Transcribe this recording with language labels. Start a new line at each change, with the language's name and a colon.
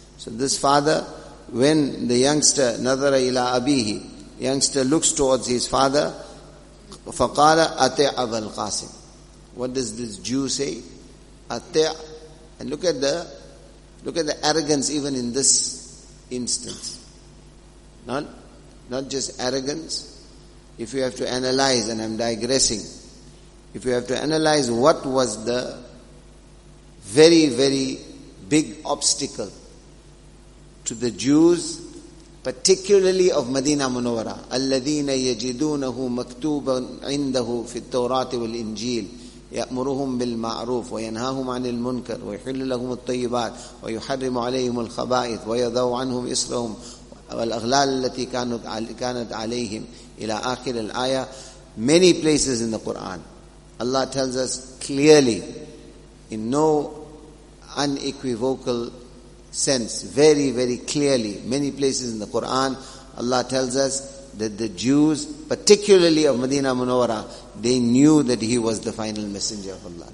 English: So this father, when the youngster,
Arabic: nazara ila abihi,
English: youngster looks towards his father,
Arabic: faqala ati' abul qasim.
English: What does this Jew say? Ati', and look at the arrogance even in this instance. Not just arrogance. If you have to analyze, and I'm digressing, if you have to analyze what was the very, very big obstacle to the Jews, particularly of Medina Munawwara,
Arabic: الَّذِينَ يَجِدُونَهُ مَكْتُوبًا عِنْدَهُ فِي التَّوْرَاةِ وَالْإِنْجِيلِ يَأْمُرُهُمْ بِالْمَعْرُوفِ وَيَنْهَاهُمْ عَنِ الْمُنْكَرِ وَيُحِلُّ لَهُمُ الطَّيِّبَاتِ وَيُحَرِّمُ عَلَيْهِمُ الْخَبَائِثَ وَيَضَعُ عَنْهُمْ إِصْرَهُمْ وَالْأَغْلَالَ الَّتِي كَانَتْ عَلَيْهِمْ إِلَى آخِرِ الْآيَةِ.
English: Many places in the Quran, Allah tells us clearly, in no unequivocal sense, very, very clearly, many places in the Quran, Allah tells us that the Jews, particularly of Medina Munawwara, they knew that he was the final messenger of Allah.